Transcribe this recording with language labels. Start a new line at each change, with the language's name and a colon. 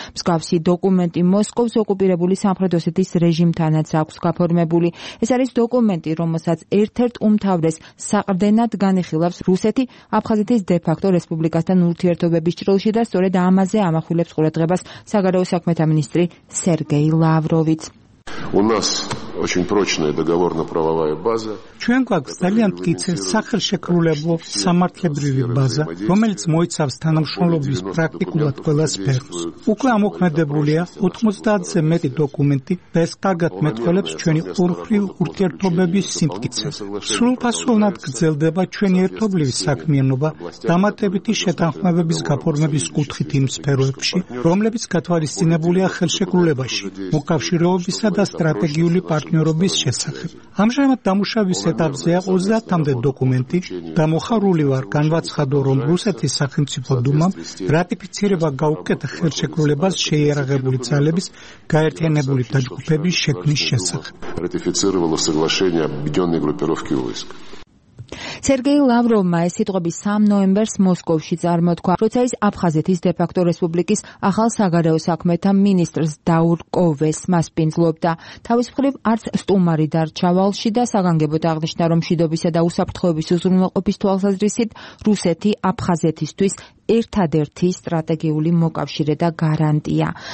Georgian: მსგავსი დოკუმენტი მოსკოვის ოკუპირებული სამხედრო ოსეთის რეჟიმთანაც აქვს გაფორმებული. ეს არის დოკუმენტი, რომელსაც ერთ-ერთ უმთავრეს საყრდენად განიხილავს რუსეთი აფხაზეთის დე-ფაქტო რესპუბლიკასთან ურთიერთობების ჭრილში და სწორედ ამაზე ამახვილებს ყურადღებას საგარეო საქმეთა მინისტრი სერგეი ლავროვიც.
Russian: У нас очень прочная договорно-правовая база.
Georgian: ჩვენ გვაქვს ძალიან მტკიცე სახელშეკრულებო სამართლებრივი ბაზა, რომელიც მოიცავს თანამშრომლობის პრაქტიკულად ყველა სფეროს. უკვე ამოქმედებულია 90-ზე მეტი დოკუმენტი, ეს კარგად მეტყველებს ჩვენი ყურხრივ ურთიერთობების სიმტკიცეს. სრულფასოვნად გრძელდება ჩვენი ერთობლივი საქმიანობა დამატებითი შეთანხმებების გაფორმების კუთხით იმ სფეროებში, რომლებიც გათვალისწინებულია ხელშეკრულებაში, მოკავშირეობის და სტრატეგიული პარტნიორობის შესახებ. ამჟამად დამუშავების ეტაპზეა 30-მდე დოკუმენტი და მოხარული ვარ განვაცხადო, რომ რუსეთის სახელმწიფო დუმამ რატიფიცირება გაუკეთა ხელშეკრულებას შეიარაღებული ძალების გაერთიანებული დაჯგუფების შექმნის შესახებ. რატიფიცირებულო
Russian: соглашение объединённой группировки войск.
Georgian: სერგეი ლავროვმა ეს სიტყვები 3 ნოემბერს მოსკოვში წარმოთქვა, როცა ის აფხაზეთის დე-ფაქტო რესპუბლიკის ახალ საგარეო საქმეთა მინისტრს დაურკოვეს მასპინძლობდა. თავის მხრივ არც სტუმარი დარჩა ვალში და საგანგებოდ აღნიშნა, რომ მშვიდობისა და უსაფრთხოების უზრუნველყოფის თვალსაზრისით რუსეთი აფხაზეთისთვის ერთადერთი სტრატეგიული მოკავშირე და გარანტია.